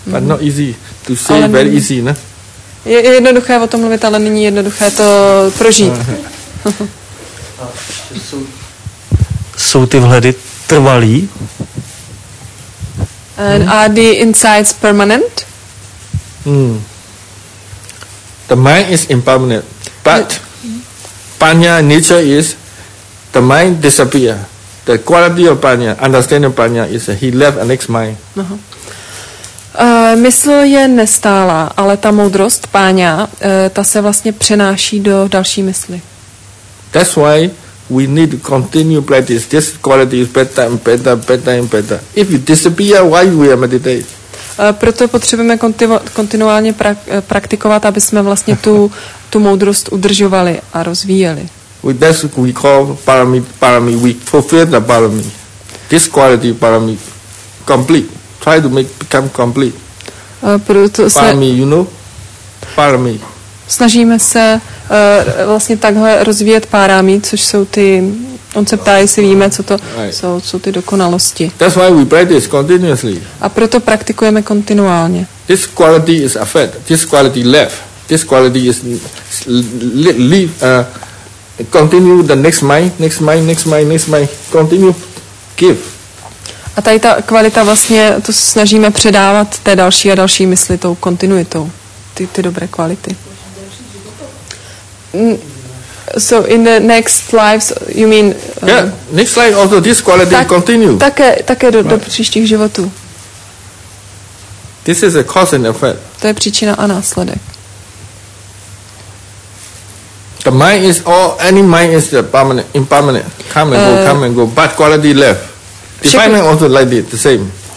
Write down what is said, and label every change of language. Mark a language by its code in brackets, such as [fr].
[en] But not easy to say, ale very easy, ne? [cs] Je jednoduché o tom mluvit, ale není jednoduché to prožít. Jsou ty vhledy trvalý? [en] And are the insights permanent? The mind is impermanent, but panya nature is the mind disappear. The quality of panya, understanding panya is he left a next mind. [cs] Mysl je nestálá, ale ta moudrost panya, ta se vlastně přenáší do další mysli. [en] That's why we need to continue practice. This quality is better and better and better and better. If you disappear, why we are meditate? [cs] Proto potřebujeme kontinuálně praktikovat, aby jsme vlastně tu moudrost udržovali a rozvíjeli. [en] That's what we call parami. We fulfill the parami. This quality parami complete. Try to make become complete. Parami, you know? Parami. [cs] Snažíme se vlastně takhle rozvíjet parami, což jsou ty. On se ptá, jestli víme, co to jsou ty dokonalosti. [en] That's why we practice continuously. [cs] A proto praktikujeme kontinuálně. [en] This quality is affect. This quality left. This quality is leave. Continue the next mind. Continue give. [cs] A tady ta kvalita vlastně, to snažíme předávat té další a další mysli tou kontinuitou. Ty dobré kvality. [en] So in the next lives, you mean? Yeah, next life also this quality tak, continue. [cs] Také do příštích životů. [en] This is a cause and effect. [cs] To je příčina a následek. [en] The mind is all, any mind is permanent, impermanent. Come and go. Bad quality left. Defining also like the same.